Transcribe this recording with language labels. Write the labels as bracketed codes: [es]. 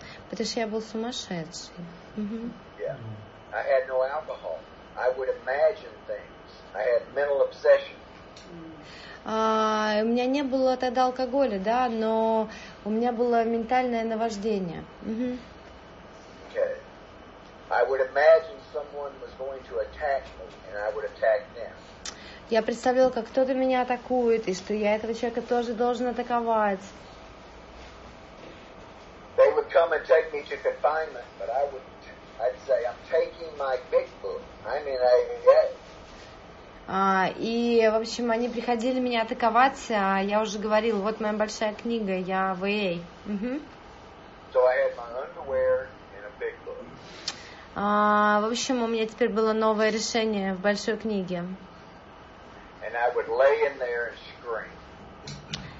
[ru] Потому что я был сумасшедший. [en] Yeah. I had no alcohol. I would imagine things. I had mental obsession. [ru] У меня не было тогда алкоголя, да, но у меня было ментальное наваждение. [en] Okay. I would imagine someone was going to attack me, and I would attack them. [ru] Я представлял, как кто-то меня атакует, и что я этого человека тоже должен атаковать. [en] They would come and take me to confinement, but I would, I'd say, I'm taking my big book. I mean, I get. [ru] И, в общем, они приходили меня атаковать, а я уже говорил, вот моя большая книга, я в AA. [en] So I had my underwear and a big book. [ru] В общем, у меня теперь было новое решение в большой книге. [en] And I would lay in there and scream.